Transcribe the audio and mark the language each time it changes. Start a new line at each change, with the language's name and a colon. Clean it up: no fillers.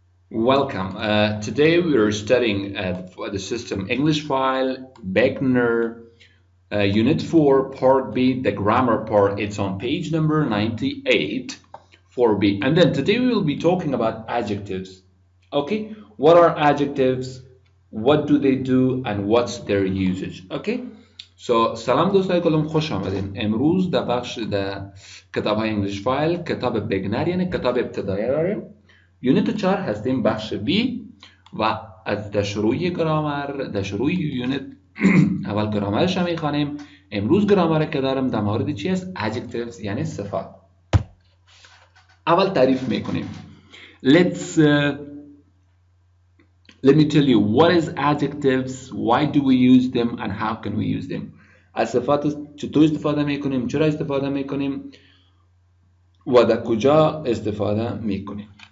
English: Welcome. Today we are studying for the system English file, Beckner, Unit 4, Part B, the grammar part. It's on page number 98, 4B. And then today we will be talking about adjectives. Okay, what are adjectives, what do they do, and what's their usage? Okay.
Persian: So, سلام دوستای کلم خوش آمدین. امروز در بخش در کتاب های انگلیش فایل کتاب بگنر یعنی کتاب ابتدایی داریم. یونیت 4 هستیم بخش B و از در شروع گرامر در شروع یونیت اول گرامرش هم میخوانیم. امروز گرامر که دارم در مورد چی است؟ Adjectives یعنی صفات. اول تعریف میکنیم.
English: Let me tell you what is adjectives, why do we use them, and how can we use them.
Persian: از صفات چطور استفاده میکنیم، چرا استفاده میکنیم و در کجا استفاده میکنیم.